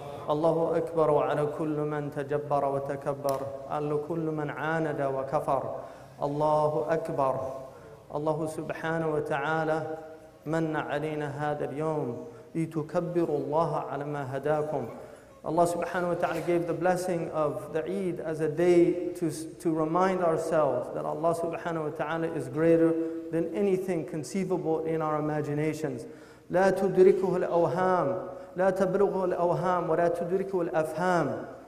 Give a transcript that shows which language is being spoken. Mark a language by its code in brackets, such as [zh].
[ar] الله أكبر وعلى كل من تجبر وتكبر على كل من عاند وكفر الله أكبر الله سبحانه وتعالى من علينا هذا اليوم لتكبروا الله على ما هداكم. [en] Allah subhanahu wa ta'ala gave the blessing of the Eid as a day to remind ourselves that Allah subhanahu wa ta'ala is greater than anything conceivable in our imaginations. [ar] لا تدركه الأوهام لا تبلغه الأوهام ولا تدركه الأفهام.